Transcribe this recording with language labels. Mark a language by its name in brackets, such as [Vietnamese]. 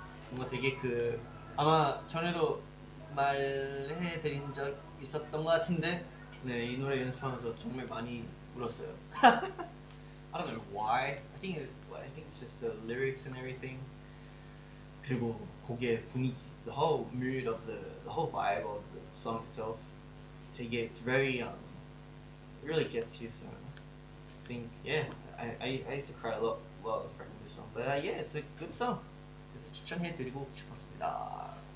[Korean] 뭔가 되게 그 아마 전에도 말해드린 적 있었던 것 같은데 네, 이 노래 연습하면서 정말 많이 울었어요. [English] I don't know why. I think it's just the lyrics and everything. [Korean] 그리고 곡의 분위기. [English] The whole mood of the whole vibe of the song itself, it gets very, really gets you. So I think, yeah, I used to cry a lot while I was writing this song, but yeah, it's a good song. [Korean] 그래서 추천해드리고 싶었습니다.